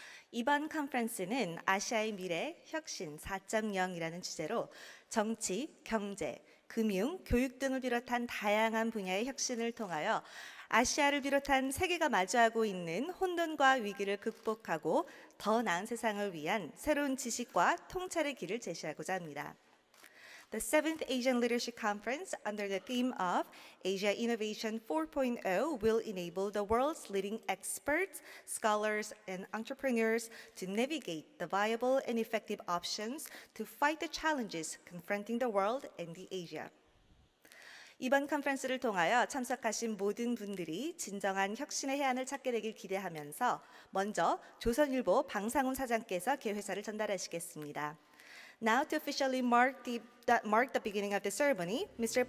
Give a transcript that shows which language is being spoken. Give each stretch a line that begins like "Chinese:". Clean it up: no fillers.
Korean: 이번 컨퍼런스는 아시아의 미래 혁신 4.0이라는 주제로 정치, 경제, 금융, 교육 등을 비롯한 다양한 분야의 혁신을 통하여 아시아를 비롯한 세계가 마주하고 있는 혼돈과 위기를 극복하고 더 나은 세상을 위한 새로운 지식과 통찰의 길을 제시하고자 합니다.
English: The 7th Asian Leadership Conference under the theme of Asia Innovation 4.0 will enable the world's leading experts, scholars, and entrepreneurs to navigate the viable and effective options to fight the challenges confronting the world and the Asia.
Korean: 이번 컨퍼런스를 통하여 참석하신 모든 분들이 진정한 혁신의 해안을 찾게 되길 기대하면서 먼저 조선일보 방상훈 사장께서 개회사를 전달하시겠습니다.
English: Now to officially mark the beginning of the ceremony, Mr.